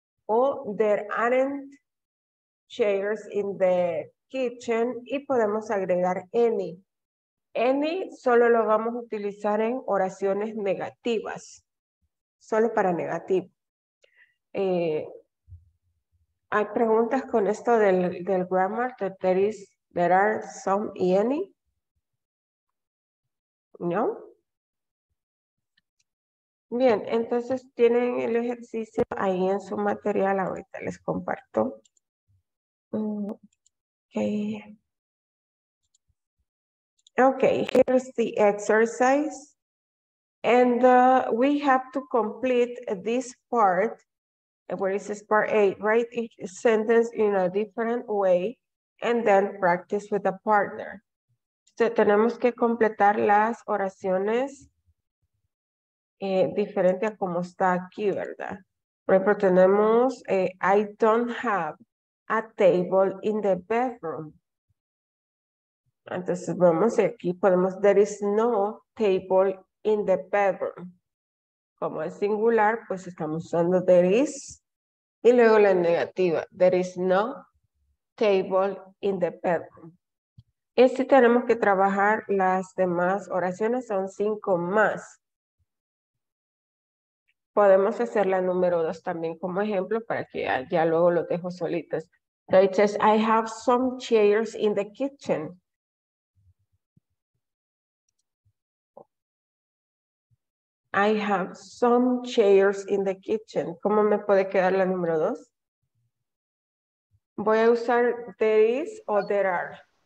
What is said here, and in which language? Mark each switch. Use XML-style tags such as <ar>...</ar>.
<es>O</es> <en>there aren't chairs in the kitchen</en> <es>y podemos agregar</es> <en>any.</en> <es>Any solo lo vamos a utilizar en oraciones negativas, solo para negativo. Hay preguntas con esto del grammar,</es> <en>that there are some</en> <es>y any. ¿No? Bien, entonces tienen el ejercicio ahí en su material. Ahorita les comparto.</es> <en>Okay, here's the exercise. And we have to complete this part, where it says part A, write each sentence in a different way, and then practice with a partner.</en> <es>So, tenemos que completar las oraciones diferente a como está aquí, ¿verdad? Por ejemplo, tenemos</es> <en>I don't have a table in the bedroom.</en> <es>Entonces, vamos y aquí podemos,</es> <en>there is no table in the bedroom.</en> <es>Como es singular, pues estamos usando</es> <en>there is y luego la negativa, there is no table in the bedroom.</en> <es>Y así tenemos que trabajar las demás oraciones, son 5 más. Podemos hacer la número 2 también como ejemplo para que ya luego lo dejo solitos.</es> <en>So it says, I have some chairs in the kitchen. I have some chairs in the kitchen.</en> <es>¿Cómo me puede quedar la número 2? Voy a usar there is o there are.</es>